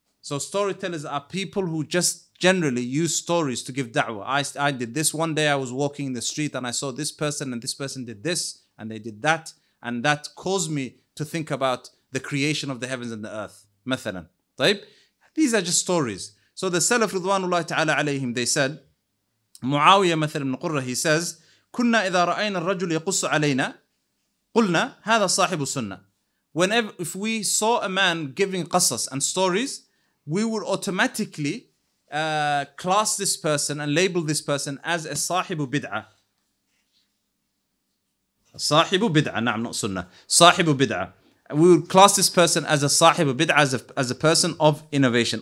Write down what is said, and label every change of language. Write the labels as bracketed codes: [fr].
[en] So storytellers are people who just generally use stories to give da'wah. I did this one day. I was walking in the street and I saw this person, and this person did this and they did that, and that caused me to think about the creation of the heavens and the earth, مثلا. طيب? These are just stories. So the Salaf [ar] رضوان الله تعالى عليهم, [en] they said, [ar] معاوية مثلا من قرة, [en] he says, [ar] كنا إذا رأينا الرجل يقص علينا قلنا هذا صاحب السنة. [en] Whenever if we saw a man giving qasas and stories, we would automatically class this person and label this person as a sahibu bid'ah. Sahibu bid'ah, نعم not sunnah. Sahibu bid'ah. We would class this person as a sahibu bid'ah, as a person of innovation.